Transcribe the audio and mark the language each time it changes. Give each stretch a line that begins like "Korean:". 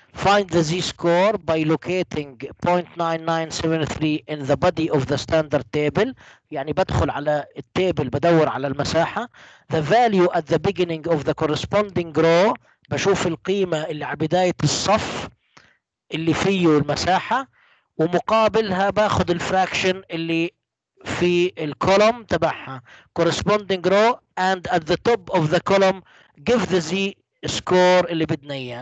English: Find the z-score by locating 0.9973 in the body of the standard table.
Arabic: يعني بدخل على التابل بدور على المساحة.
English: The value at the beginning of the corresponding row.
Arabic: بشوف القيمة اللي على بداية الصف اللي فيه المساحة. ومقابلها باخد الفراكشن اللي في الكولوم تبعها.
English: Corresponding row and at the top of the column give the z score
Arabic: اللي بدنا اياه.